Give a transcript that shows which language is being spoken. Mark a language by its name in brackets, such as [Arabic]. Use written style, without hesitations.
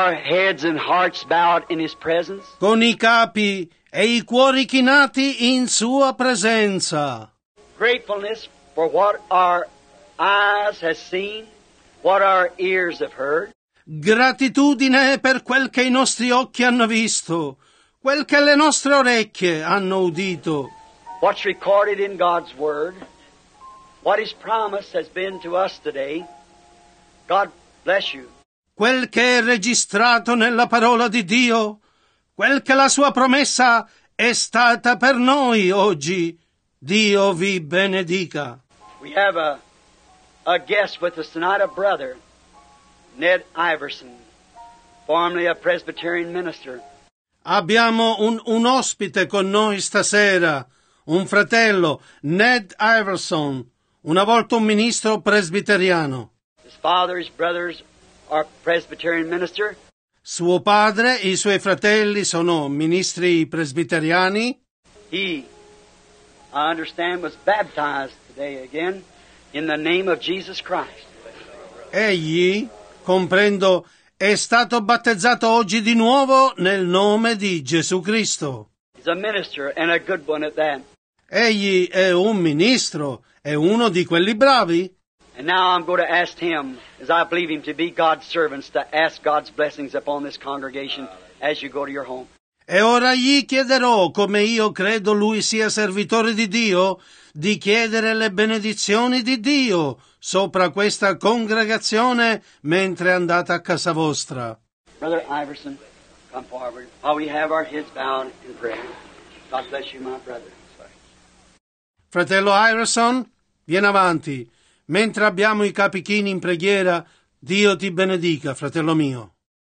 [English] Heads and hearts bowed in his presence. [Italian] Con i capi e i cuori chinati in sua presenza. [English] Gratefulness for what our eyes have seen, what our ears have heard. [Italian] gratitudine per quel che i nostri occhi hanno visto, quel che le nostre orecchie hanno udito. [English] What's recorded in God's Word, what His promise has been to us today, God bless you. [Italian] Quel che è registrato nella parola di Dio, quel che la sua promessa è stata per noi oggi, Dio vi benedica. [English] We have a guest with us tonight, a brother, Ned Iverson, formerly a Presbyterian minister. [Italian] Abbiamo un ospite con noi stasera, un fratello, Ned Iverson, una volta un ministro presbiteriano. [English] His father, his brothers are Presbyterian minister. [Italian] Suo padre e i suoi fratelli sono ministri presbiteriani. [English] He, I understand, was baptized today again in the name of Jesus Christ. [Italian] Egli, comprendo, è stato battezzato oggi di nuovo nel nome di Gesù Cristo. [English] He's a minister and a good one at that. [Italian] Egli è un ministro, è uno di quelli bravi. [English] And now I'm going to ask him, as I believe him to be God's servants, to ask God's blessings upon this congregation as you go to your home. [Italian] E ora gli chiederò, come io credo lui sia servitore di Dio, di chiedere le benedizioni di Dio sopra questa congregazione mentre andate a casa vostra. [English] Brother Iverson, come forward. While we have our heads bowed in prayer. God bless you, my brother. [Italian] Fratello Iverson, vieni avanti. Mentre abbiamo i capi chini in preghiera, Dio ti benedica, fratello mio.